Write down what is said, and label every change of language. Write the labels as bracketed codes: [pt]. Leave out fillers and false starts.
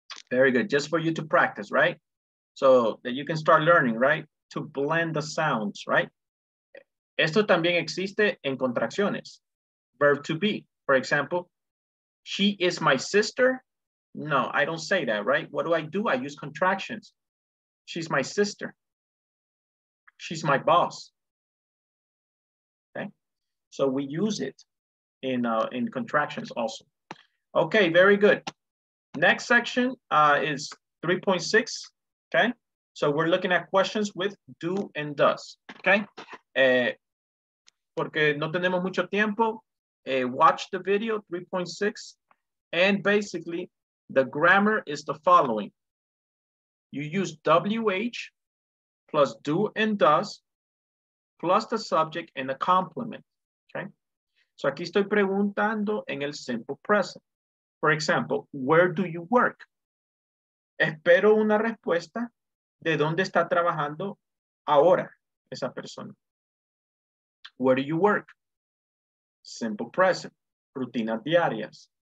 [en] Very good, just for you to practice, right? So that you can start learning, right? To blend the sounds, right? [es] Esto también existe en contracciones. [en] Verb to be, for example, she is my sister No, I don't say that, right? What do? I use contractions. She's my sister. She's my boss. Okay? So we use it in contractions also. Okay, very good. Next section is 3.6, okay? So we're looking at questions with do and does, okay? [es] Porque no tenemos mucho tiempo, [en] watch the video, [es] 3.6. [en] And basically, the grammar is the following. You use WH plus do and does plus the subject and the complement, okay? So [es] aquí estoy preguntando en el [en] simple present. For example, where do you work? [es] Espero una respuesta de dónde está trabajando ahora esa persona. [en] Where do you work? Simple present, [es] rutinas diarias.